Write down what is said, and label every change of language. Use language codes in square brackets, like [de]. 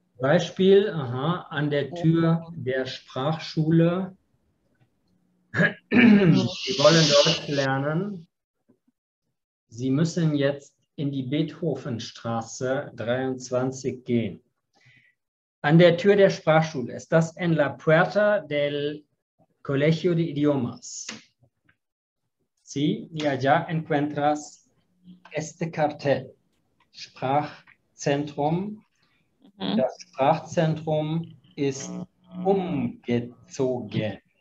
[de] Beispiel, aha, an der Tür der Sprachschule. Sie wollen Deutsch lernen. Sie müssen jetzt in die Beethovenstraße 23 gehen. An der Tür der Sprachschule. [es] Estás en la puerta del Colegio de Idiomas. Sí, y allá encuentras este cartel. [de] Sprachzentrum. Das Sprachzentrum ist umgezogen.